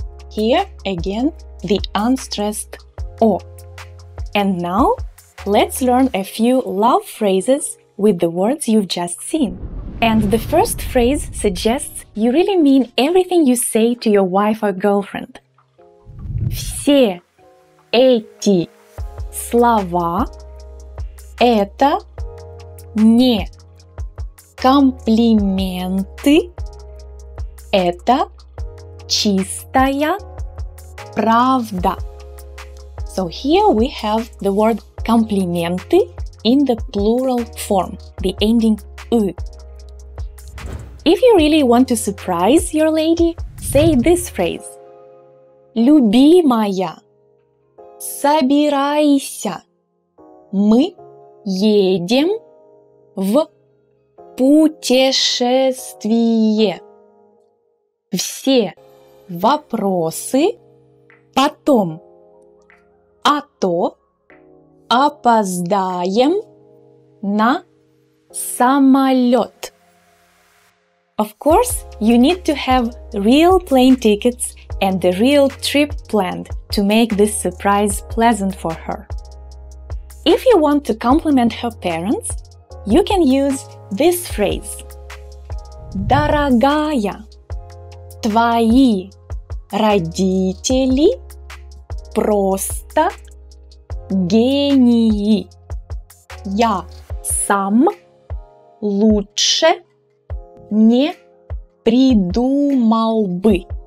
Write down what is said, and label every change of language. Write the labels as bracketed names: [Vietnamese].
[English] Here again the unstressed о. And now let's learn a few love phrases with the words you've just seen. And the first phrase suggests you really mean everything you say to your wife or girlfriend. [Russian] Все эти слова – это не комплименты, это чистая правда. [English] So here we have the word комплименты in the plural form, the ending «ы». If you really want to surprise your lady, say this phrase. [Russian] Любимая, собирайся, мы едем в путешествие. Все вопросы потом, а то опоздаем на самолет. [English] Of course, you need to have real plane tickets and a real trip planned to make this surprise pleasant for her. If you want to compliment her parents, you can use this phrase. [Russian] Дорогая, твои родители просто гении. Я сам лучше не придумал бы.